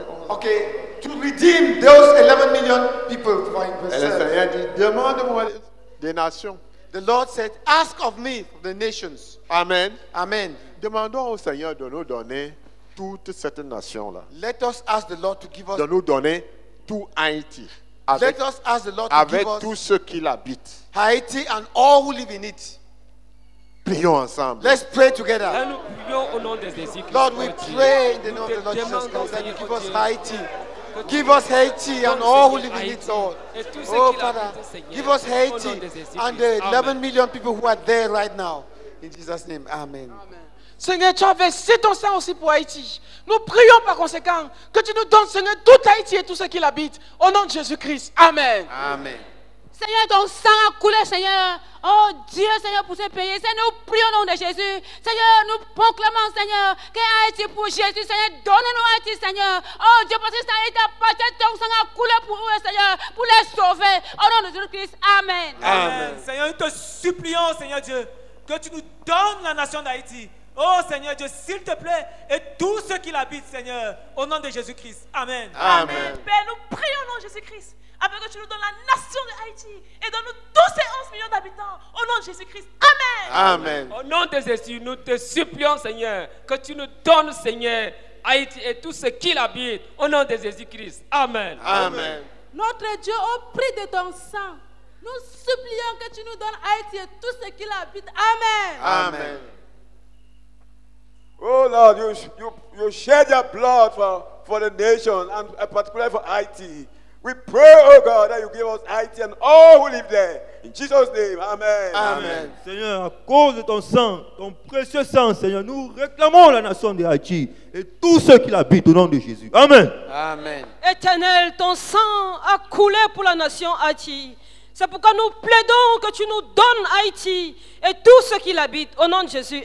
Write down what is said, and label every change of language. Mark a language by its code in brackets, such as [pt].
[en] Okay, to redeem those 11 million people for himself. [fr] Le Seigneur dit, demande-moi des nations. [en] The Lord said, ask of me for the nations. Amen. Amen. [fr] Demandons au Seigneur de nous donner toute cette nation là. [en] Let us ask the Lord to give us. [fr] De nous donner tout Haïti. [en] Let us ask the Lord to [fr] avec [en] give us [fr] tous ceux qui l'habitent. [en] Haiti and all who live in it. [fr] Prions ensemble. [en] Let's pray together. [fr] Nous prions au nom de [en] Lord, we pray in the name of the Lord Jesus Christ that you give us Haiti Give us Haiti and all who live in it, Lord. Oh, Father, give us Haiti and the 11 million people who are there right now. In Jesus' name, amen. [fr] Seigneur, tu as versé ton sang aussi pour Haïti. Nous prions par conséquent que tu nous donnes, Seigneur, tout Haïti et tout ce qui l'habite. Au nom de Jésus-Christ. Amen. Amen. Seigneur, ton sang a coulé, Seigneur. Oh Dieu, Seigneur, pour ce pays. Seigneur, nous prions au nom de Jésus. Seigneur, nous proclamons, Seigneur, que Haïti pour Jésus, Seigneur, donne-nous Haïti, Seigneur. Oh Dieu, parce que ça a été apporté, ton sang a coulé pour eux, Seigneur, pour les sauver. Au nom de Jésus-Christ. Amen. Amen. Amen. Seigneur, nous te supplions, Seigneur Dieu, que tu nous donnes la nation d'Haïti. Oh Seigneur Dieu, s'il te plaît, et tous ceux qui l'habitent, Seigneur, au nom de Jésus-Christ. Amen. Amen. Père, nous prions au nom de Jésus-Christ, afin que tu nous donnes la nation de Haïti et donne-nous tous ces 11 millions d'habitants. Au nom de Jésus-Christ. Amen. Amen. Au nom de Jésus, nous te supplions, Seigneur, que tu nous donnes, Seigneur, Haïti et tous ceux qui l'habitent. Au nom de Jésus-Christ. Amen. Amen. Notre Dieu, au prix de ton sang, nous supplions que tu nous donnes Haïti et tous ceux qui l'habitent. Amen. Amen. [en] Oh Lord, you shed your blood for the nation and particularly for Haiti. We pray, oh God, that you give us Haiti and all who live there. In Jesus' name, amen. Amen. Amen. [fr] Seigneur, à cause de ton sang, ton précieux sang, Seigneur, nous réclamons la nation de Haïti et tous ceux qui l'habitent au nom de Jésus. Amen. Amen. Éternel, ton sang a coulé pour la nation Haïti. C'est pourquoi nous plaidons que tu nous donnes Haïti et tous ceux qui l'habitent au nom de Jésus.